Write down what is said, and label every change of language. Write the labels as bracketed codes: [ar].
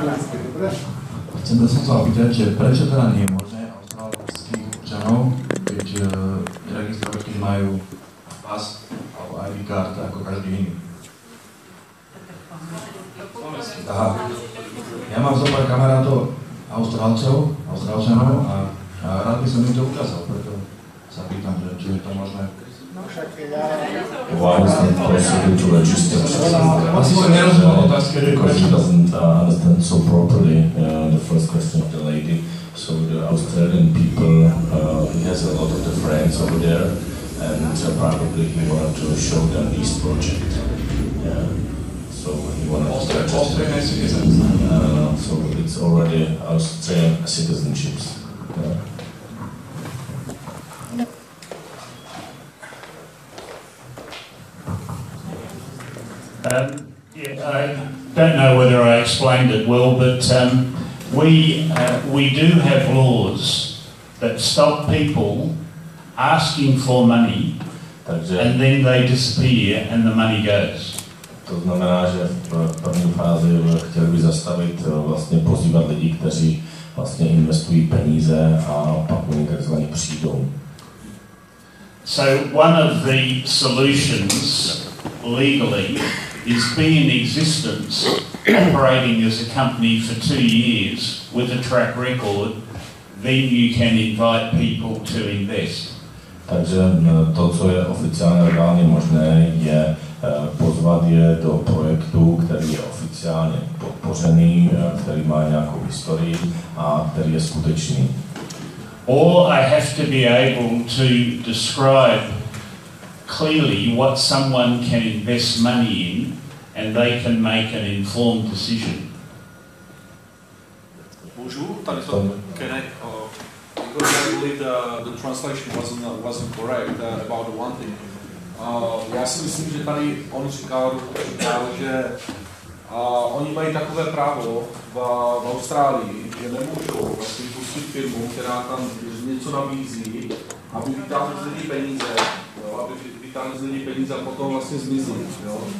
[sk] Chcem sa to opýtať, že prečo teda nie je možné australských občanov, keď registrovateľ majú pas alebo ID card ako každý iný? Aha. Ja mám zo pár kamarátov Austrálčanov a rád by som im to ukázal, preto sa pýtam, že či je to možné. [en] Because she doesn't understand so properly the first question of the lady. So the Australian people, he has a lot of the friends over there, and probably he wanted to show them this project. So he wanted to so it's already Australian citizenships. I don't know whether I explained it well, but we do have laws that stop people asking for money, and then they disappear and the money goes. [cs] To znamená, že v první fázi chtěl by zastavit vlastně pozývat lidi, kteří vlastně investují peníze a pak oni takzvaně přijdou. [en] So one of the solutions legally is be in existence operating as a company for 2 years with a track record, then you can invite people to invest. [cs] Takže to, co je oficiálně legálně možné, je pozvat je do projektu, který je oficiálně podpořený, který má nějakou historii a který je skutečný. [en] Or I have to be able to describe clearly what someone can invest money in and they can make an informed decision. Because I believe the translation wasn't correct about the one thing. [cs] Já si myslím, že tady on říkal, že oni mají takové právo v Austrálii, že nemůžou vlastně pustit firmu, která tam něco nabízí, aby vytáhli z lidí peníze, jo, aby vytáhli z lidí peníze a potom vlastně zmizli. Jo.